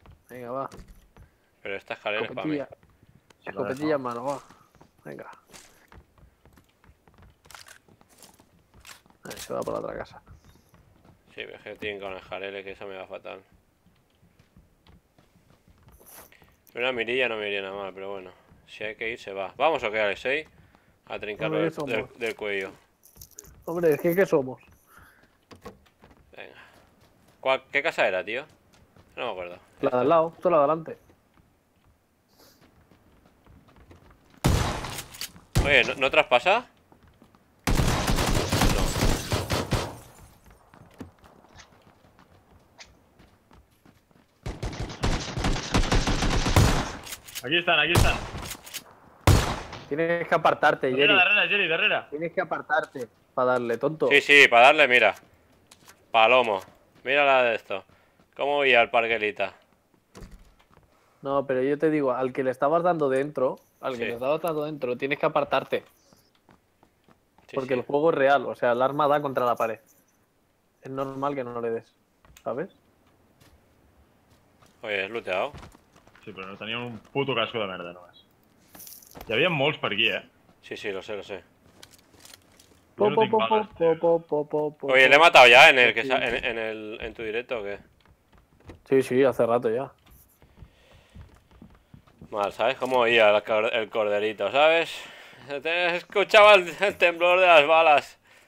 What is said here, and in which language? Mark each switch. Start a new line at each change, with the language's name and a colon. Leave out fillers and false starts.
Catalan: Vinga, va. Però esta escalera és pa mi.
Spanish: Escopetilla en mano, va.
Catalan: Vinga. Això va per l'altra casa. Sí, és que tinc con el jarele, que això me va fatal.
Spanish: Una mirilla no me iría nada mal, pero bueno. Si hay que ir, se va. Vamos a quedar el 6 a trincarlo del cuello. Hombre, es que ¿qué somos? Venga. ¿Cuál, qué casa era, tío? No me acuerdo. La de al lado, esto es la de adelante. Oye, ¿no traspasa? Aquí están. Tienes que apartarte, Jerry. De arena. Tienes que apartarte para darle, tonto. Sí, para darle, mira. Palomo. Mira la de esto. ¿Cómo voy al parguelita? No, pero yo te digo, al que le estabas dando dentro, al que sí. Le estabas dando dentro, tienes que apartarte. Sí, porque sí. El juego es real, o sea, el arma da contra la pared. Es normal que no le des, ¿sabes? Oye, es looteado.
Catalan: Sí, però no tenia un puto casco de merda, només. Hi havia molts per aquí, eh?
Spanish: Sí, sí, lo sé, lo sé. Po, po, po, po, po, po, po, po, po. Oye, ¿le he matado ya en el que en tu directo o qué? Sí, sí, hace rato ya. Mal, ¿sabes cómo oía el corderito, sabes? Escuchaba el temblor de las balas.